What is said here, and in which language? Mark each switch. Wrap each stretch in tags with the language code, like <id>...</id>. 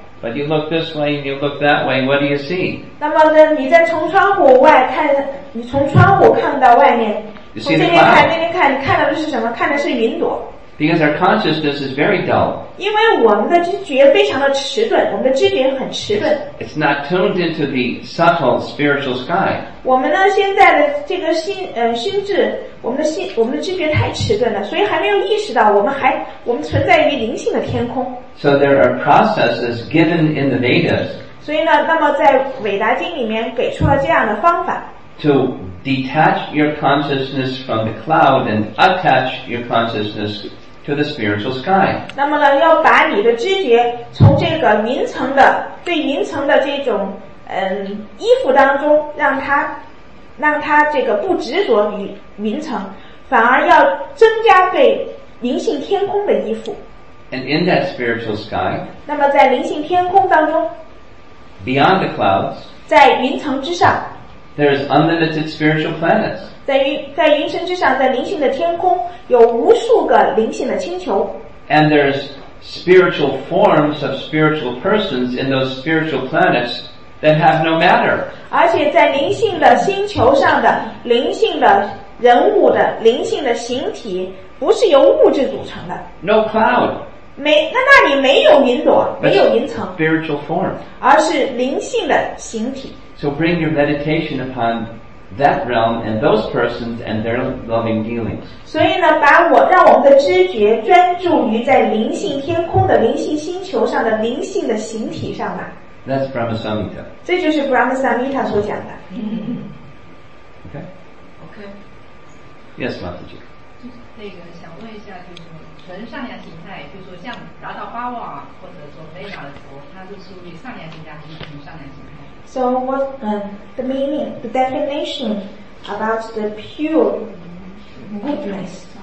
<en>But you look this way and you look that way, what do you see?</en> <zh>那么呢，你在从窗户外看，你从窗户看到外面。</zh> <en>You see the cloud?</en> <zh>从这边看，那边看，你看到的是什么？看的是云朵。</zh> <en>Because our consciousness is very dull.</en> <zh>因为我们的知觉非常的迟钝，我们的知觉很迟钝。</zh> <en>It's not tuned into the subtle spiritual sky.</en> <zh>我们呢现在的这个心智，我们的知觉太迟钝了，所以还没有意识到我们存在于灵性的天空。</zh> <en>So there are processes given in the Vedas.</en> <zh>所以呢，那么在韦达经里面给出了这样的方法。</zh> <en>To detach your consciousness from the cloud and attach your consciousness to the spiritual sky.</en> <zh>那么呢，要把你的知觉从这个云层的对云层的这种依附当中，让它这个不执着于云层，反而要增加对灵性天空的依附。</zh> <en>And in that spiritual sky.</en> <zh>那么在灵性天空当中。</zh> <en>Beyond the clouds.</en> <zh>在云层之上。</zh> <en>There is unlimited spiritual planets.</en> <zh>在云层之上，在灵性的天空，有无数个灵性的星球。</zh> <en>And there's spiritual forms of spiritual persons in those spiritual planets that have no matter.</en> <zh>而且在灵性的星球上的灵性的人物的灵性的形体，不是由物质组成的。</zh> <en>No cloud.</en> <zh>那里没有云朵，没有云层。</zh> <en>Spiritual form.</en> <zh>而是灵性的形体。</zh> <en>So bring your meditation upon that realm and those persons and their loving dealings.</en> <zh>所以呢，让我们的知觉专注于在灵性天空的灵性星球上的灵性的形体上吧。</zh> <en>That's Brahma Samhita.</en> <zh>这就是 Brahma Samhita 所讲的。</zh> <en>Okay. Okay. Yes, Mataji.</en> <zh>那个想问一下，就是纯上下形态，就是说像达到巴瓦或者说贝塔的佛，它是属于上下形态还是纯上下形态？</zh> <en>So what the meaning, the definition about the pure goodness.</en>